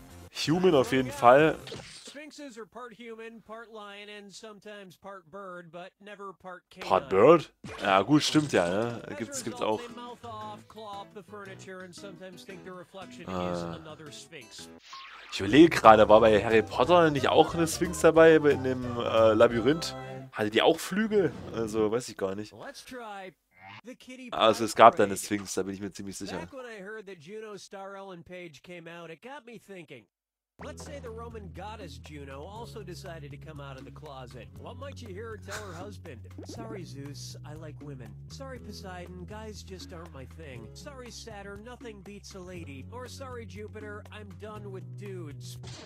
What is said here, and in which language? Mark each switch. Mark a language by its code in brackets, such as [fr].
[de] Human auf jeden Fall. [en] Sphinxes are part human, part lion and sometimes part bird, but never part canine. Part bird? [de] Ja, gut, stimmt ja, ne? Gibt's auch. [en] Mouth off, claw up the furniture and sometimes think the reflection is another sphinx. [de] Ich überlege gerade, war bei Harry Potter nicht auch eine Sphinx dabei in dem Labyrinth? Hatte die auch Flügel? Also, weiß ich gar nicht. [en] Let's try. [de] Also es gab da eine Sphinx, da bin ich mir ziemlich sicher. [en] Back when I heard that Juno's star Ellen Page came out, it got me thinking. Let's say the Roman goddess Juno also decided to come out of the closet. What might you hear her tell her husband? Sorry, Zeus, I like women. Sorry, Poseidon, guys just aren't my thing. Sorry, Saturn, nothing beats a lady. Or sorry, Jupiter, I'm done with dudes.